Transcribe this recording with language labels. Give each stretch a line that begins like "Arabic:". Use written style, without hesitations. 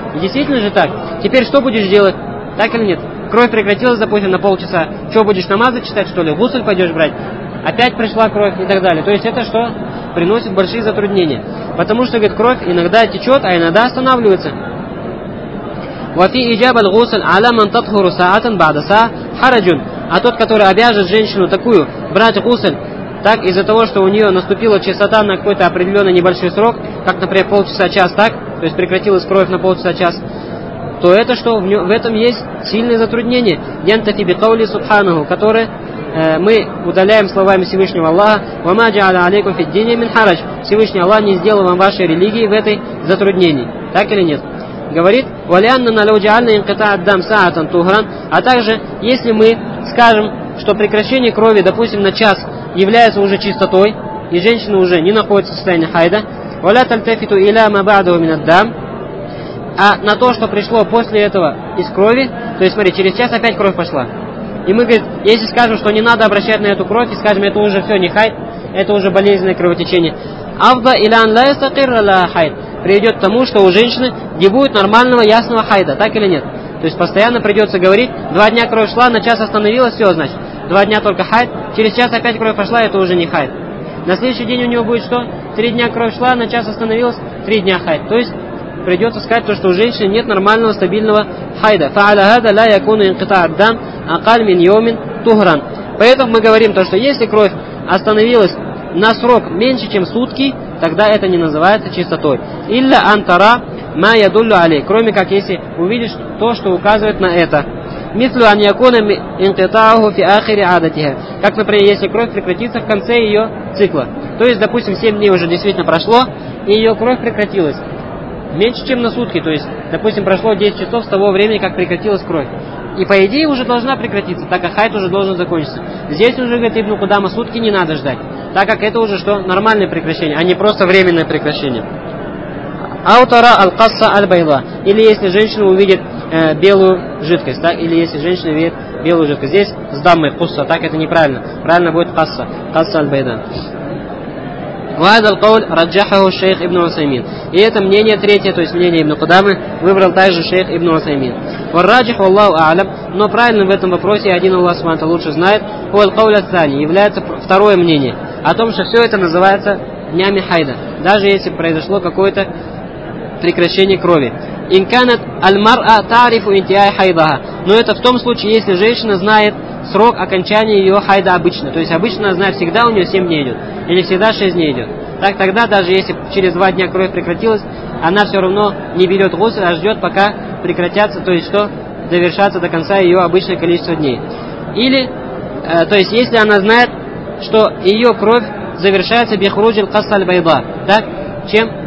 Russian: Действительно же так? Теперь что будешь делать? Так или нет? Кровь прекратилась, допустим, на полчаса. Что, будешь намазы читать, что ли? Гусль пойдешь брать? Опять пришла кровь и так далее. То есть это что? Приносит большие затруднения. Потому что, говорит, кровь иногда течет, а иногда останавливается.
Arabic: وفي إجابة الغسل على من تطهر ساعة بعد ساعة حرج.
Russian: А тот, который обяжет женщину такую брать гусль, так из-за того, что у нее наступила частота на какой-то определенный небольшой срок, как, например, полчаса-час, так, то есть прекратилась кровь на полчаса-час, то это что? В этом есть сильное затруднение.
Arabic: ينتفي بقول سبحانه,
Russian: который мы удаляем словами Всевышнего Аллаха.
Arabic: وَمَا جَعَلَ عَلَيْكُمْ فِي الدِّينِ مِنْ حَرَجٍ.
Russian: Всевышний Аллах не сделал вам вашей религии в этой затруднении. Так или нет? Говорит,
Arabic: وَلِأَنَّنَا لَوْ جَعَلْنَا إِنْقِطَاعَ الدَّمِ سَاعَةً طُهْرًا.
Russian: А также, если мы скажем, что прекращение крови, допустим, на час является уже чистотой, и женщина уже не находится в состоянии хайда,
Arabic: وَلَا تَلْتَفِتُ إِلَى مَا بَعْدَهُ مِنَ الدَّمِ.
Russian: А на то, что пришло после этого из крови, то есть смотри, через час опять кровь пошла. И мы, говорит, если скажем, что не надо обращать на эту кровь, и скажем, это уже все не хайд, это уже болезненное кровотечение. Авда илян ла истакирра ла хайд. Приведет к тому, что у женщины не будет нормального ясного хайда, так или нет? То есть постоянно придется говорить, два дня кровь шла, на час остановилась, все, значит, два дня только хайд, через час опять кровь пошла, это уже не хайд. На следующий день у него будет что? Три дня кровь шла, на час остановилась, три дня хайд. То есть придется сказать то, что у женщины нет нормального стабильного хайда.
Arabic: فَعَلَى هَذَا لَا يَكُونُ إِنْقِطَاعَ الدَّمِ أَقَلَّ مِنْ يَوْمٍ طُهْرًا.
Russian: Поэтому мы говорим то, что если кровь остановилась на срок меньше, чем сутки, тогда это не называется чистотой.
Arabic: إِلَّا أَنْ تَرَى مَا يَدُلُّ عَلَيْهِ.
Russian: Кроме как если увидишь то, что указывает на это.
Arabic: مِثْلُ أَنْ يَكُونَ إِنْقِطَاعُهُ فِي آخِرِ عَادَتِهَا.
Russian: Как, например, если кровь прекратится в конце ее цикла. То есть, допустим, 7 дней уже действительно прошло, и ее кровь прекратилась. Меньше, чем на сутки, то есть, допустим, прошло 10 часов с того времени, как прекратилась кровь. И по идее уже должна прекратиться, так как хайд уже должен закончиться. Здесь уже, говорит, Ибн Кудама, сутки не надо ждать, так как это уже что? Нормальное прекращение, а не просто временное прекращение. Аутара аль-касса аль-байла. Или если женщина увидит белую жидкость, так? Или если женщина видит белую жидкость. Здесь с даммой кусса, так это неправильно. Правильно будет касса, касса аль-байла.
Arabic: وهذا القول رجحه الشيخ ابن عثيمين.
Russian: И это мнение третье, то есть мнение Ибн Кудамы, выбрал также шейх Ибн Усаймин.
Arabic: والراجح والله اعلم.
Russian: Но правильным в этом вопросе один Аллах Субхана ва Тааля лучше знает.
Arabic: هو القول الثاني.
Russian: Является второе мнение о том, что все это называется днями хайда, даже если произошло какое-то прекращение крови.
Arabic: إن كانت المرأة تعرف انتهاء حيضها.
Russian: Но это в том случае, если женщина знает срок окончания ее хайда обычно. То есть обычно она знает, всегда у нее 7 дней идет. Или всегда 6 дней идет. Так тогда, даже если через 2 дня кровь прекратилась, она все равно не берет гусль, а ждет, пока прекратятся, то есть что? Довершатся до конца ее обычное количество дней. Или, то есть если она знает, что ее кровь завершается бихруджил кассаль байда, так? Чем?